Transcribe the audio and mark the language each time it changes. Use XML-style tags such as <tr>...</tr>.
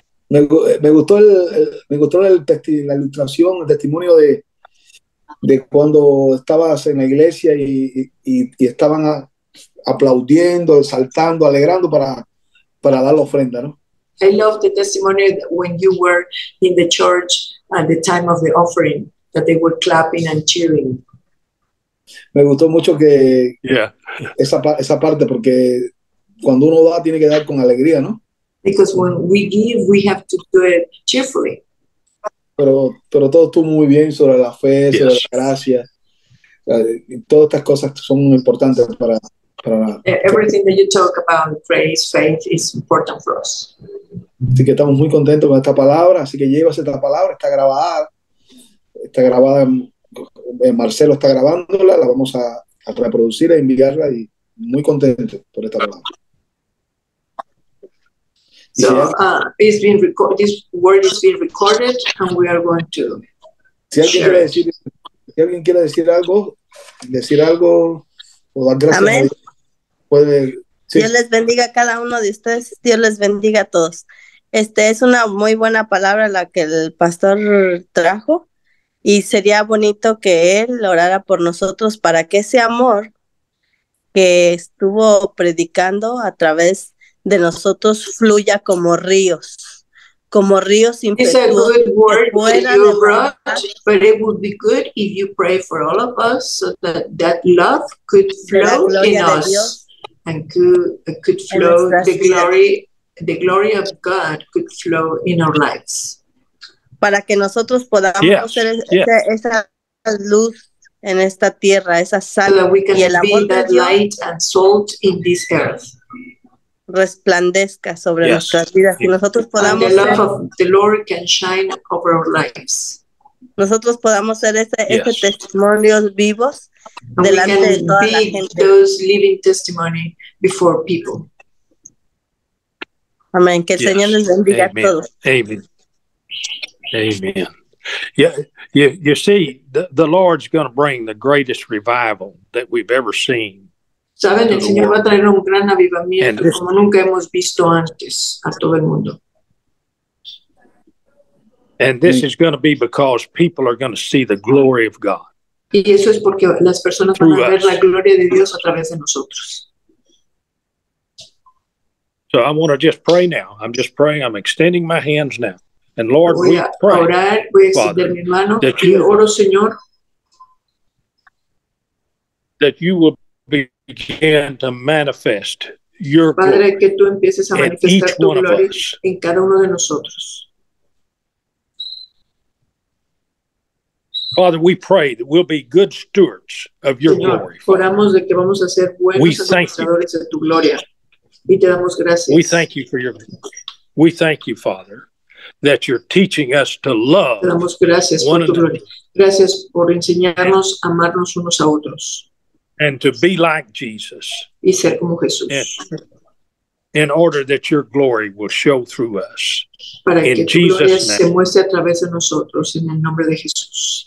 <es>Me gustó la ilustración, el testimonio de cuando estabas en la iglesia y estaban aplaudiendo, saltando, alegrando para dar la ofrenda, ¿no?</es> <en>I love the testimony when you were in the church at the time of the offering. that they were clapping and cheering.</en> <es>Me gustó mucho que esa parte, porque cuando uno da tiene que dar con alegría, ¿no?</es> <en>Because when we give, we have to do it cheerfully.</en> <es>Pero todo estuvo muy bien sobre la fe, sobre la gracia. Todas estas cosas son muy importantes para</es> <en>everything that you talk about, praise, faith, is important for us.</en> <es>Así que estamos muy contentos con esta palabra, así que llévase esta palabra, está grabada, Marcelo está grabándola, la vamos a reproducir, a enviarla, y muy contento por esta palabra.</es> <en>So it's been recorded. This word is being recorded, and we are going to.</en> <es>Si alguien quiere decir algo o dar gracias. Amén. Puede. Sí. Dios les bendiga a cada uno de ustedes. Dios les bendiga a todos. Es una muy buena palabra la que el pastor trajo, y sería bonito que él orara por nosotros para que ese amor que estuvo predicando a través de nosotros fluya como ríos impetuosos.</es> <en>It's a good word that you brought, but it would be good if you pray for all of us so that love could flow in us and could flow the glory of God could flow in our lives.</en> <es>Para que nosotros podamos ser esa luz en esta tierra, esa sal y el amor de Dios.</es> <en>So that we can be that light and salt in this earth.</en> <es>Resplandezca sobre nuestras vidas y nosotros podamos</es> <en>the love of the Lord can shine over our lives.</en> <es>Nosotros podamos ser ese testimonios vivos</es> <en>and</en> <es>delante de toda la gente.</es> <en>Those living testimony before people.</en> <es>Amén. Que el Señor les bendiga a todos.</es> <en>Amen. Yeah, you see, the Lord's going to bring the greatest revival that we've ever seen.</en> <es>Saben, el Señor va a traer un gran avivamiento como nunca hemos visto antes a todo el mundo.</es> <en>And this is going to be because people are going to see the glory of God.</en> <es>Y eso es porque las personas van a ver la gloria de Dios a través de nosotros.</es> <en>So I want to just pray now. I'm just praying. I'm extending my hands now. And Lord,</en> <es>voy a orar, voy a extender mi mano y oro, Señor,</es> <en>that you will begin to manifest your</en> <es>Padre,</es> <en>glory</en> <es>que tú empieces a manifestar tu gloria en cada uno de nosotros.</es> <en>Father, we pray that we'll be good stewards of your</en> <es>Señor,</es> <en>glory.</en> <es>Oramos de que vamos a ser buenos administradores de tu gloria y te damos gracias.</es> <en>We thank you for your glory. We thank you, Father, that you're teaching us to love.</en> <es>Te damos gracias por tu gloria. Gracias por enseñarnos a amarnos unos a otros.</es> <en>And to be like Jesus.</en> <es>Y ser como Jesús.</es> <en>In order that your glory will show through us.</en> <es>Para</es> <en>in Jesus'</en> <es>tu gloria</es> <en>name.</en> <es>Se muestre a través de nosotros en el nombre de Jesús.</es>